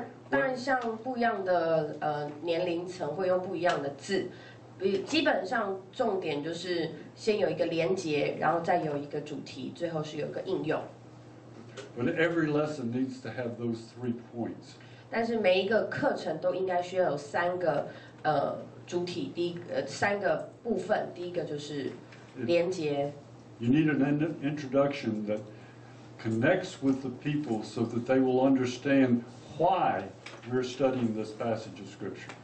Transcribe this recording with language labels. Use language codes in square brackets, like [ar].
[zh] 当然像不一样的年龄层会用不一样的字。基本上重点就是先有一个连结，然后再有一个主题，最后是有一个应用。 [en] But every lesson needs to have those three points. [zh] 但是每一个课程都应该需要有三个主题，第一个三个部分，第一个就是连结。 [en] You need an introduction that connects with the people so that they will understand why we're studying this passage of scripture.